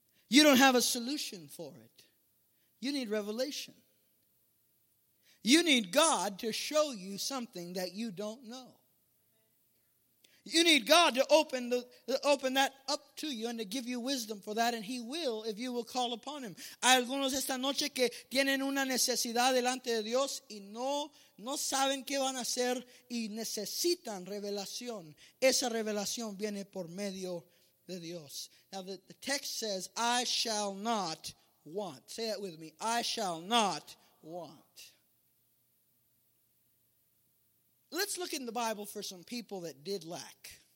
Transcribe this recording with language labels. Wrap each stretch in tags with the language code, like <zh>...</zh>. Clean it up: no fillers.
<en>You don't have a solution for it. You need revelation. You need God to show you something that you don't know. You need God to open that up to you and to give you wisdom for that, and He will if you will call upon Him.</en> <es>Hay algunos esta noche que tienen una necesidad delante de Dios y no saben qué van a hacer y necesitan revelación. Esa revelación viene por medio de Dios.</es> <en>Now the text says, I shall not want. Say that with me. I shall not want. Let's look in the Bible for some people that did lack.</en>